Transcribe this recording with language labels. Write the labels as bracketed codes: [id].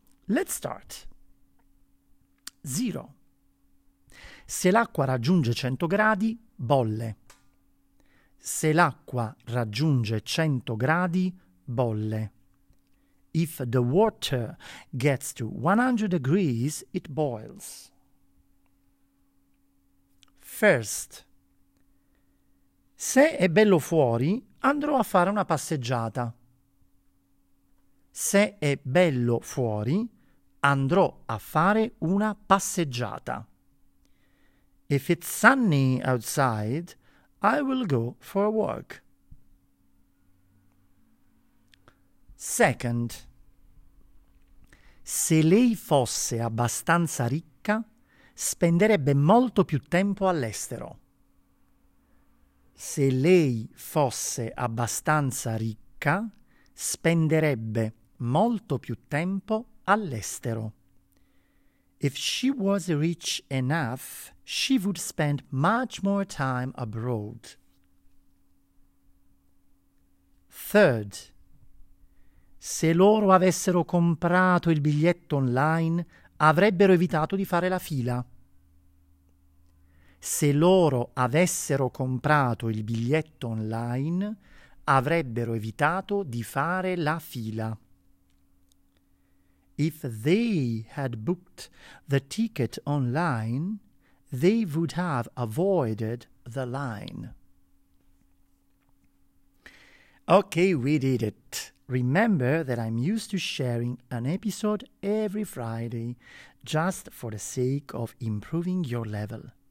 [en] Let's start. Zero. [it] Se l'acqua raggiunge 100 gradi, bolle. Se l'acqua raggiunge 100 gradi, bolle. [en] If the water gets to 100 degrees, it boils. First. [it] Se è bello fuori, andrò a fare una passeggiata. Se è bello fuori, andrò a fare una passeggiata. [en] If it's sunny outside, I will go for a walk. Second. [it] Se lei fosse abbastanza ricca, spenderebbe molto più tempo all'estero. Se lei fosse abbastanza ricca, spenderebbe molto più tempo all'estero. [en] If she was rich enough, she would spend much more time abroad. Third. [it] Se loro avessero comprato il biglietto online, avrebbero evitato di fare la fila. Se loro avessero comprato il biglietto online, avrebbero evitato di fare la fila. [en] If they had booked the ticket online, they would have avoided the line. Okay, we did it. Remember that I'm used to sharing an episode every Friday just for the sake of improving your level.